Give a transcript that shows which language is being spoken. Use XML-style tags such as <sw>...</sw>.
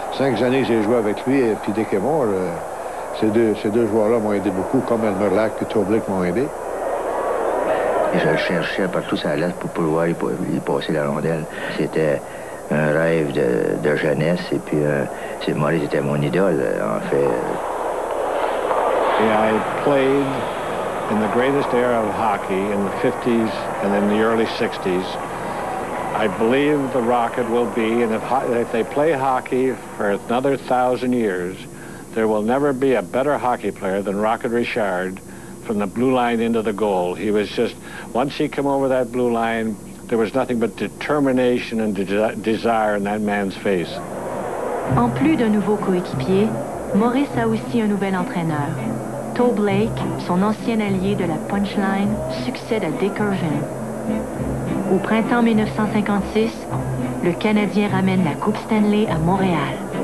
<fr>5 années que j'ai joué avec lui, et puis dès qu'il est mort, ces deux joueurs-là m'ont aidé beaucoup, comme Elmer Lack et Toblik m'ont aidé. Et je le cherchais partout sa lettre pour pouvoir y passer la rondelle. C'était un rêve de jeunesse, et puis Maurice était mon idole, en fait. Et j'ai joué</fr> <en>in the greatest era of hockey in the 50s and in the early 60s, I believe the Rocket will be, and if they play hockey for another 1,000 years, there will never be a better hockey player than Rocket Richard from the blue line into the goal. He was just, once he came over that blue line, there was nothing but determination and desire in that man's face.</en> <fr>En plus d'un nouveau coéquipier, Maurice a aussi un nouvel entraîneur. Toe Blake, son ancien allié de la punchline, succède à Dick Irvin. Au printemps 1956, le Canadien ramène la Coupe Stanley à Montréal.</fr>